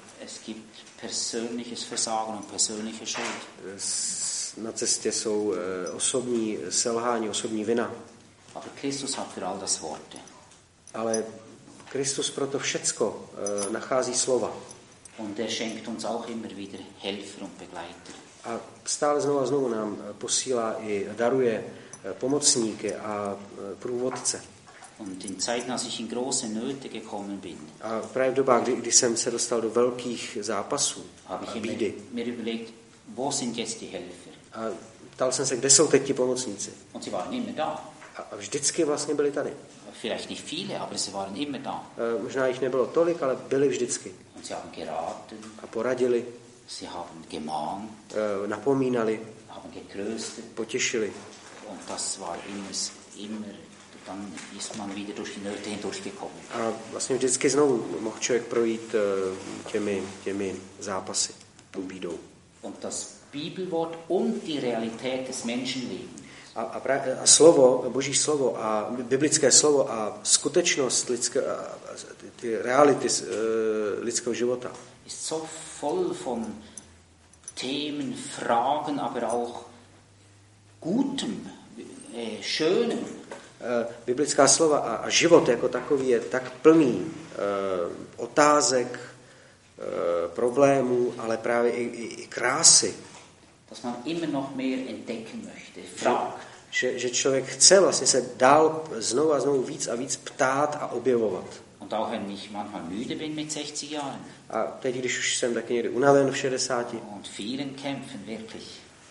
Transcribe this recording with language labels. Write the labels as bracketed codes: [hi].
[de] Es gibt persönliches Versagen und persönliche Schuld. [cs] Na cestě jsou osobní selhání, osobní vina. [de] Aber Christus hat für all das Worte. [cs] Ale Kristus pro to všecko nachází slova. [de] Und er schenkt uns auch immer wieder Helfer und Begleiter. [cs] A stále znovu a znovu nám posílá i daruje pomocníky a průvodce. [de] Und in Zeiten, als ich in große Nöte gekommen bin. [cs] A právě v dobách, kdy jsem se dostal do velkých zápasů a bídy. [de] Mir überlegt, wo sind jetzt die Helfer? [cs] A ptal jsem se, kde jsou teď ti pomocníci. [de] Und sie waren immer da. [cs] A vždycky vlastně byli tady. [de] Vielleicht nicht viele, aber sie waren immer da. [cs] Možná jich nebylo tolik, ale byli vždycky. [de] Und sie haben geraten. [cs] A poradili. [de] Sie haben gemahnt. [cs] Napomínali. [de] Haben getröstet. [cs] Potěšili. [de] Und das war immer dann ist man wieder durch die Nöte hindurchgekommen. [cs] A vlastně vždycky znovu mohl člověk projít těmi zápasy, tou bídou. [de] Und das Bibelwort und die Realität des Menschenlebens. [cs] A slovo, Boží slovo a biblické slovo a skutečnost lidské, ty reality lidského života. [de] Ist so voll von Themen, Fragen, aber auch gutem, schönem. [cs] Biblická slova a život jako takový je tak plný otázek, problémů, ale právě i krásy. [de] Dass man immer noch mehr entdecken möchte, fragt. [cs] Že člověk chce vlastně se dál znovu a znovu víc a víc ptát a objevovat. [de] Und auch wenn ich manchmal müde bin mit 60 Jahren. [cs] A teď, když už jsem taky někdy unaven v 60. [de] Und vielen Kämpfen wirklich.